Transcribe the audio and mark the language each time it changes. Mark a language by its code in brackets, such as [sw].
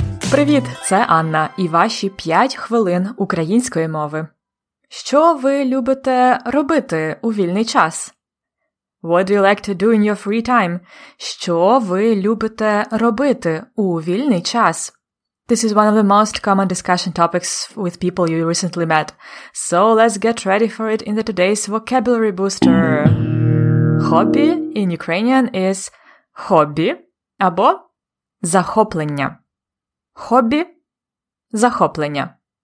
[uk] Привіт, це Анна і ваші 5 хвилин української мови. Що ви любите робити у вільний час? [en] What do you like to do in your free time? [uk] Що ви любите робити у вільний час? [en] This is one of the most common discussion topics with people you recently met. So let's get ready for it in today's vocabulary booster. Хобі in Ukrainian is [uk] хобі або захоплення. Хобі – захоплення.